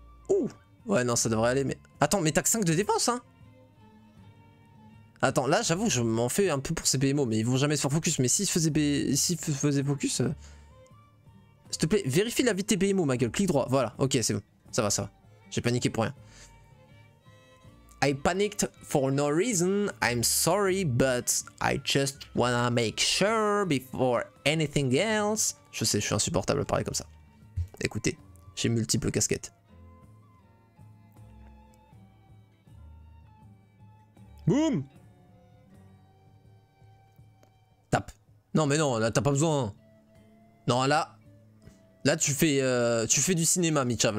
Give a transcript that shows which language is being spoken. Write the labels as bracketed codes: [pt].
[fr] Ouh. Ouais, non, ça devrait aller, mais... Attends, mais t'as que 5 de dépenses, hein. Attends, là, j'avoue, je m'en fais un peu pour ces BMO, mais ils vont jamais se faire focus. Mais s'ils faisaient focus... S'il te plaît, vérifie la vie de tes BMO, ma gueule. Clique droit. Voilà, ok, c'est bon. Ça va. J'ai paniqué pour rien. [en] I panicked for no reason, I'm sorry, but I just wanna make sure before anything else. [fr] Je sais, je suis insupportable à parler comme ça. Écoutez, j'ai multiples casquettes. Boum! Tape. Non mais non, là t'as pas besoin. Non là, là tu fais du cinéma, Michav.